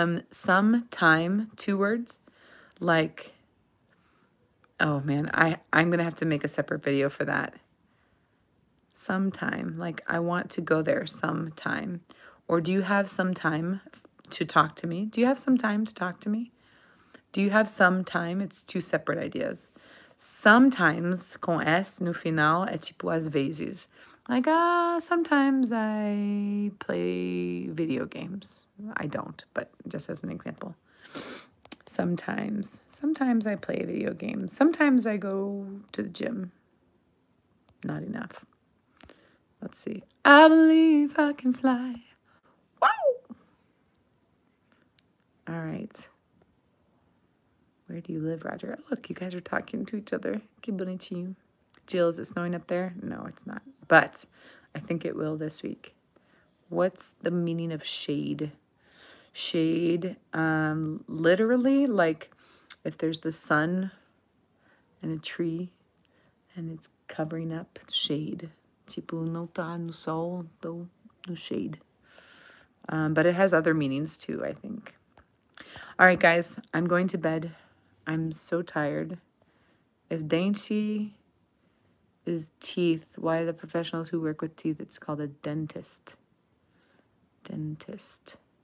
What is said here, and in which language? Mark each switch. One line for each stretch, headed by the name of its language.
English: Sometime, 2 words, like, oh man, I'm going to have to make a separate video for that. Sometime, like, I want to go there sometime. Or do you have some time to talk to me? Do you have some time to talk to me? Do you have some time? It's 2 separate ideas.
Portuguese: Sometimes, com S no final, é tipo às vezes.
English: Like, sometimes I play video games. I don't, but just as an example. Sometimes I play video games. Sometimes I go to the gym. Not enough. Let's see. I believe I can fly. Wow! All right. Where do you live, Roger? Look, you guys are talking to each other.
Portuguese: Que bonitinho.
English: Jill, is it snowing up there? No, it's not. But I think it will this week. What's the meaning of shade? Shade, literally, like if there's the sun and a tree and it's covering up, it's shade.
Portuguese: Tipo, não tá no sol, tô no shade.
English: But it has other meanings too, I think. All right, guys, I'm going to bed. I'm so tired. If dentist is teeth, why the professionals who work with teeth, it's called a dentist. Dentist.